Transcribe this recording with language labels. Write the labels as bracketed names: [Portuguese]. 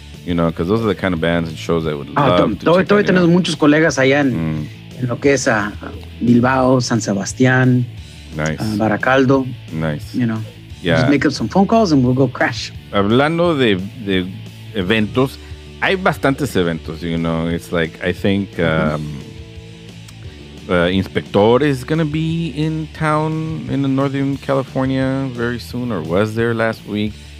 [English] Because those are the kind of bands and shows I would love to check out. [Spanish] Todavía tenemos muchos colegas allá en lo que es Bilbao, San Sebastián, Baracaldo. [English] Yeah. Just make up some phone calls and we'll go crash. [Spanish] Hablando de eventos, hay bastantes eventos, [English] It's like, I think Inspector is going to be in town in Northern California very soon, or was there last week.